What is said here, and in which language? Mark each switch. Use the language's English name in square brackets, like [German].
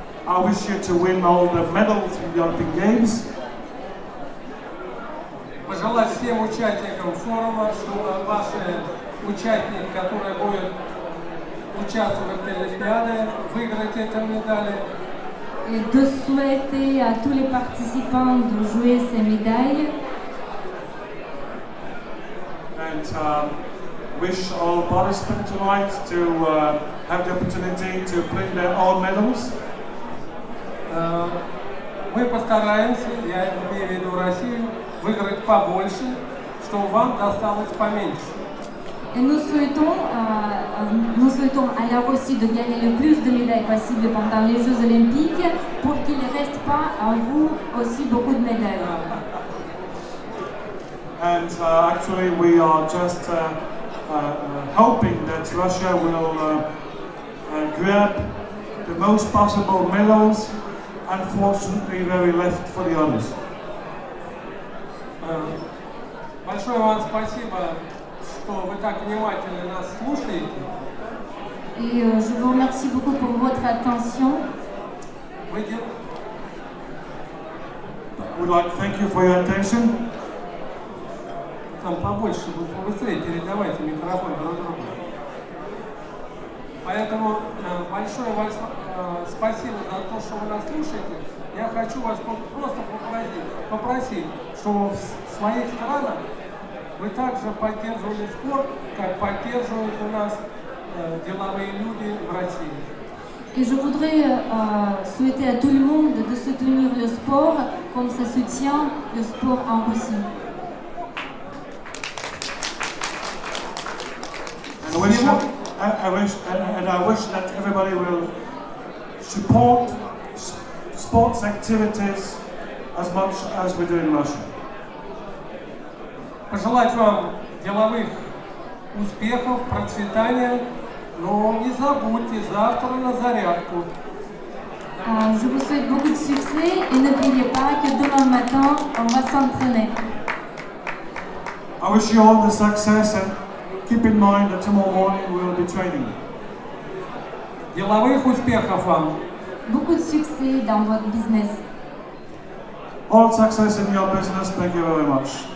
[English] I wish you to win all the medals in the Olympic Games. [Russian] Пожелать всем участникам форума, чтобы ваши участники, которые будут участвовать в Олимпиаде, выиграть эти медали. [French] Et de souhaiter à tous les participants de jouer ces médailles. [English] And wish all participants tonight to have the opportunity to bring their own medals. [Russian] Мы постараемся, я имею в виду Россию, выиграть побольше, чтобы вам досталось поменьше. [French] Et nous souhaitons à la Russie de gagner le plus de médailles possible pendant les Jeux Olympiques pour qu'il ne reste pas à vous aussi beaucoup de médailles. [English] And actually we are just hoping that Russia will grab the most possible medals. Unfortunately, very left for the others. [Russian] Большое вам спасибо, что вы так внимательно нас слушаете. [French] Et je vous remercie beaucoup pour votre attention. [English] We'd like to thank you for your attention. [Russian] Там побольше, вы побыстрее передавайте микрофон друг другу. Поэтому большое вам спасибо за то, что вы нас слушаете. Я хочу вас просто попросить, чтобы в своих странах вы также поддерживали спорт, как поддерживают у нас деловые люди в России. [French] Et je voudrais souhaiter à tout le monde de soutenir le sport, comme ça soutient le sport en Russie. [English] I wish that everybody will support sports activities as much as we do in Russia. [Russian] Пожелать вам деловых успехов, процветания, но не забудьте завтра на зарядку. [French] Je vous souhaite beaucoup de succès et n'oubliez pas que demain matin on va s'entraîner. [English] I wish you all the success and keep in mind that tomorrow morning we will be training. [Russian] Деловых успехов вам. [French] Beaucoup de succès dans votre business. [English] All success in your business. Thank you very much.